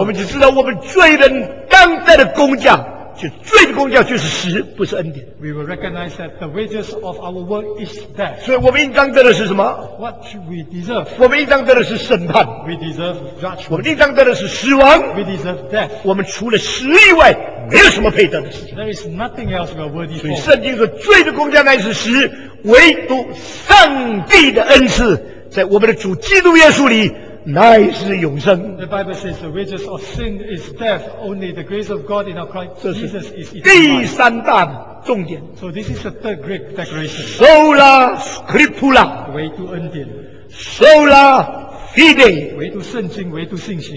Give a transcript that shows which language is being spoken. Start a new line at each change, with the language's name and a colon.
Chinese: 我们只知道我们罪人当代的工价，就罪的工价就是死，不是恩典。
English: We will recognize that the wages of our work is death.
Chinese: 所以我们应当得的是什么
English: ？What we deserve.
Chinese: 我们应当得的是审判。
English: We deserve judgment.
Chinese: 我们应当得的是死亡。
English: We deserve death.
Chinese: 我们除了死以外。没有什么配得的事情。
English: There is nothing else we are worthy for.
Chinese: 所以圣经说，罪的工价乃是死，唯独上帝的恩赐，在我们的主基督耶稣里，乃是永生。
English: The Bible says the wages of sin is death. Only the grace of God in our Christ Jesus is eternal.
Chinese: 第三大重点。
English: So this is the third great declaration.
Latin: Sola Scriptura.
Chinese: 唯独恩典。
Latin: Sola Fide.
Chinese: 唯独圣经，唯独信心。